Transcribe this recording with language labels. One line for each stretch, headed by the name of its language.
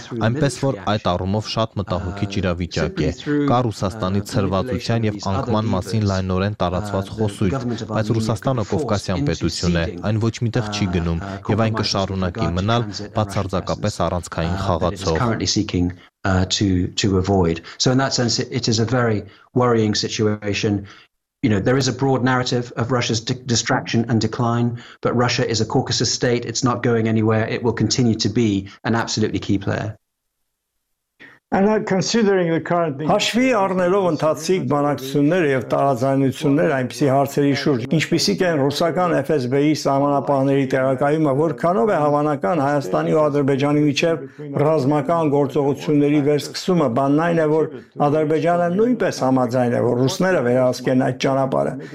Armenian: Այնպես որ այդ առումով շատ մտահոգիչ իրավիճակ է։ Կա Ռուսաստանի ցրվածության եւ անկման մասին լայնորեն տարածված խոսույթ, բայց Ռուսաստանը Կովկասյան պետություն է, այն ոչ միտեղ չի գնում եւ այն կշարունակի մնալ բացարձակապես առանցքային խաղացող։
English: To avoid. So in that sense, it is a very worrying situation. You know, there is a broad narrative of Russia's distraction and decline, but Russia is a Caucasus state. It's not going anywhere. It will continue to be an absolutely key player. And considering the current
Armenian: Հաշվի առնելով ընթացիկ բանակցությունները եւ տարաձայնությունները այնպիսի հարցերի շուրջ, ինչպիսիք են ռուսական FSB-ի սահմանապահների տեղակայումը, որքանով է հավանական Հայաստանի ու Ադրբեջանի միջև ռազմական գործողությունների վերսկսումը, բանն այն է, որ Ադրբեջանը նույնպես համաձայն է, որ ռուսները վերահսկեն այդ ճանապարհը։